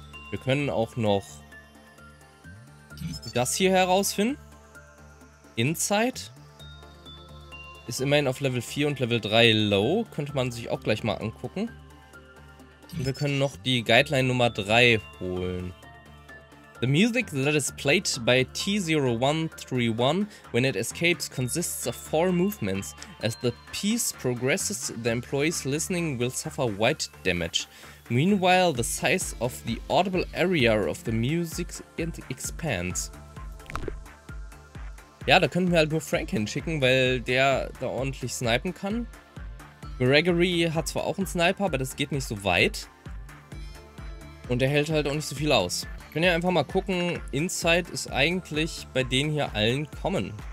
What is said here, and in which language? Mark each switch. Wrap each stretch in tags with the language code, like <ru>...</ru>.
<de>Wir können auch noch das hier herausfinden. Insight ist immerhin auf Level 4 und Level 3 low. Könnte man sich auch gleich mal angucken. Und wir können noch die Guideline Nummer 3 holen.</de> <en>The music that is played by T0131 when it escapes consists of four movements. As the piece progresses, the employees listening will suffer white damage. Meanwhile, the size of the audible area of the music expands.</en> <de>Ja, da könnten wir halt nur Frank hinschicken, weil der da ordentlich snipen kann. Gregory hat zwar auch einen Sniper, aber das geht nicht so weit. Und der hält halt auch nicht so viel aus. Ich kann ja einfach mal gucken, Insight ist eigentlich bei denen hier allen common.</de>